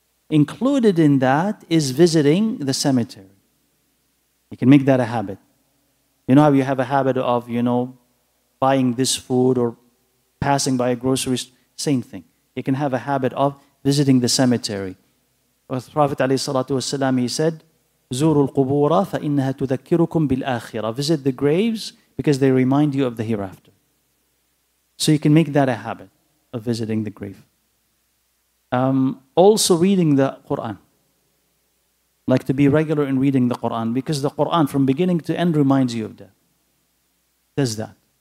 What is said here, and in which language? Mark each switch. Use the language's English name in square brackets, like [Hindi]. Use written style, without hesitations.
[English] Included in that is visiting the cemetery. You can make that a habit. You know how you have a habit of, you know, buying this food or passing by a grocery store? Same thing. You can have a habit of visiting the cemetery. With Prophet [Arabic] عليه الصلاة والسلام, [English] he said, [Arabic] زُورُ الْقُبُورَ فَإِنَّهَا تُذَكِّرُكُمْ بِالْآخِرَةِ. [English] Visit the graves because they remind you of the hereafter. So you can make that a habit of visiting the grave. Also reading the Quran. Like to be regular in reading the Quran, because the Quran from beginning to end reminds you of death. Does that.